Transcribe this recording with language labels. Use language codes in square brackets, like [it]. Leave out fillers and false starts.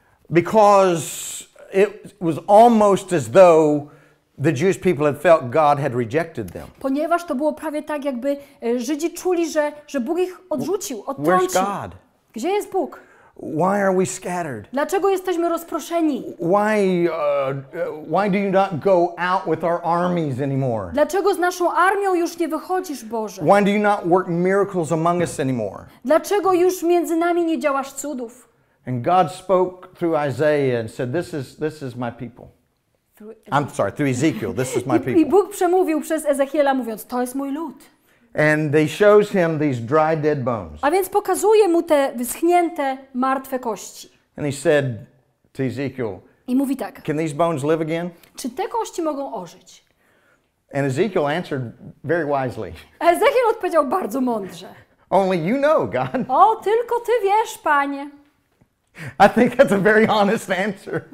[en] Because it was almost as though the Jewish people had felt God had rejected them. [pl] Ponieważ to było prawie tak, jakby Żydzi czuli, że Bóg ich odrzucił, odtrącił. [en] Where's God? [pl] Gdzie jest Bóg? [en] Why are we scattered? [pl] Dlaczego jesteśmy rozproszeni? [en] Why do you not go out with our armies anymore? [pl] Dlaczego z naszą armią już nie wychodzisz, Boże? [en] Why do you not work miracles among us anymore? [pl] Dlaczego już między nami nie działasz cudów? [en] And God spoke through Isaiah and said, this is my people. Through Ezekiel, this is my people. [pl] I Bóg przemówił przez Ezechiela mówiąc, to jest mój lud. [en] And he shows him these dry dead bones. [pl] A więc pokazuje mu te wyschnięte, martwe kości. [en] And he said to Ezekiel, [pl] i mówi tak, [en] can these bones live again? [pl] Czy te kości mogą ożyć? [en] And Ezekiel answered very wisely. [pl] Ezechiel odpowiedział bardzo mądrze. [en] Only you know, God. [pl] O, tylko ty wiesz, Panie. [en] I think that's a very honest answer.